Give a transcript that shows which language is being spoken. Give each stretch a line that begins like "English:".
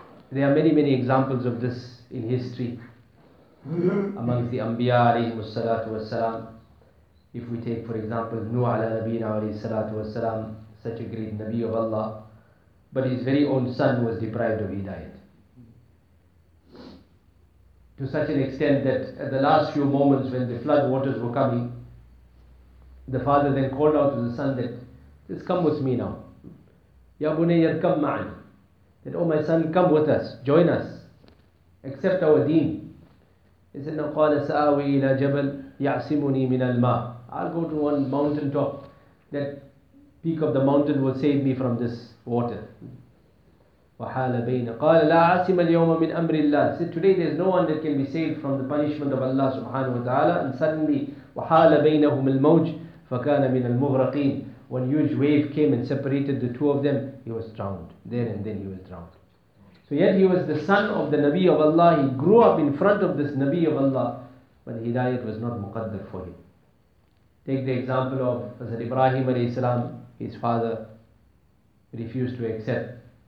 English: There are many, many examples of this in history. Amongst the Anbiya alayhi salatu wa salam, if we take for example Nuh ala Nabina alayhi salatu wa salam, such a great Nabi of Allah, but his very own son was deprived of hidayat to such an extent that at the last few moments when the flood waters were coming, the father then called out to the son that, just come with me now.
Arabic: Ya bunayya irkab ma'ana.
English: That, oh my son, come with us, join us, accept our deen. He said,
Arabic: قَالَ سَآوِي إِلَى جَبَلْ يَعْسِمُنِي مِنَ الْمَاءِ.
English: I'll go to one mountain top, that peak of the mountain will save me from this water.
Arabic: وَحَالَ بَيْنَ قَالَ لَا عَاسِمَ الْيَوْمَ مِنْ أَمْرِ اللَّهِ.
English: He said, today there's no one that can be saved from the punishment of Allah subhanahu wa ta'ala. And suddenly,
Arabic: وَحَالَ بَيْنَهُمَ الْمَوْجِ فَكَانَ مِنَ الْمُغْرَقِينَ.
English: One huge wave came and separated the two of them. He was drowned. There and then he was drowned. So yet he was the son of the Nabi of Allah. He grew up in front of this Nabi of Allah, but hidayat was not muqaddar for him. Take the example of Hazrat Ibrahim alayhi salam. His father refused to accept.